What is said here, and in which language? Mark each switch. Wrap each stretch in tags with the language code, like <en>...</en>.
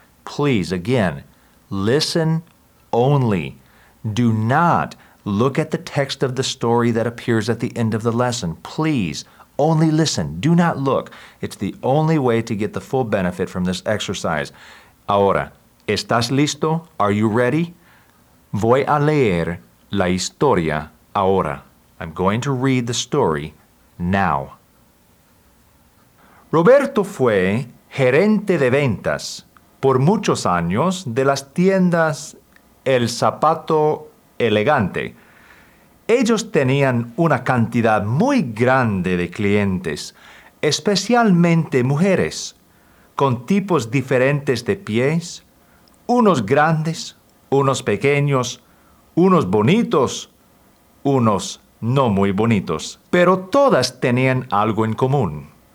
<en>Please, again, listen only. Do not look at the text of the story that appears at the end of the lesson. Please, only listen. Do not look. It's the only way to get the full benefit from this exercise.</en> <es>Ahora, ¿estás listo?</es> <en>Are you ready?</en> <es>Voy a leer la historia ahora.</es> <en>I'm going to read the story now.</en> <es>Roberto fue gerente de ventas por muchos años de las tiendas El Zapato Elegante. Ellos tenían una cantidad muy grande de clientes, especialmente mujeres, con tipos diferentes de pies, unos grandes, unos pequeños, unos bonitos, unos no muy bonitos, pero todas tenían algo en común.</es>